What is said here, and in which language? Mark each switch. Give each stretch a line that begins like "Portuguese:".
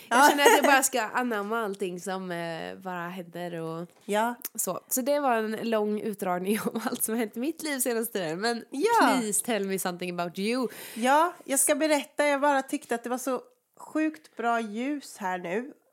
Swedish: Jag känner att jag bara ska anamma allting som bara händer och så. Så det var en lång utdragning om allt som har hänt i mitt liv senaste tiden.
English: Men please tell me something about you.
Swedish: Ja, jag ska berätta. Jag bara tyckte att det var så sjukt bra ljus här nu.